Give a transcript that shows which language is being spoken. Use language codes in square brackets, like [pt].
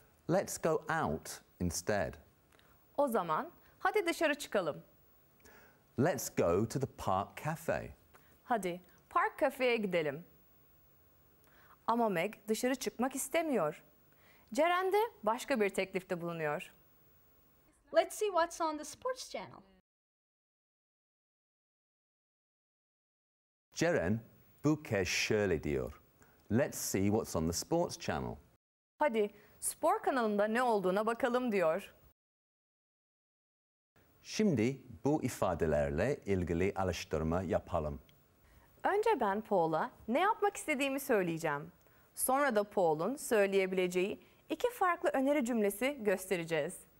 [en] Let's go out instead. [tr] O zaman hadi dışarı çıkalım. [en] Let's go to the park cafe. [tr] Hadi park kafeye gidelim. Ama Meg dışarı çıkmak istemiyor. Jaren de başka bir teklifte bulunuyor. [en] Let's see what's on the sports channel. [tr] Jaren bu kez şöyle diyor. [en] Let's see what's on the sports channel. [tr] Hadi spor kanalında ne olduğuna bakalım diyor. Şimdi bu ifadelerle ilgili alıştırma yapalım. Önce ben Paul'a ne yapmak istediğimi söyleyeceğim. Sonra da Paul'un söyleyebileceği iki farklı öneri cümlesi göstereceğiz.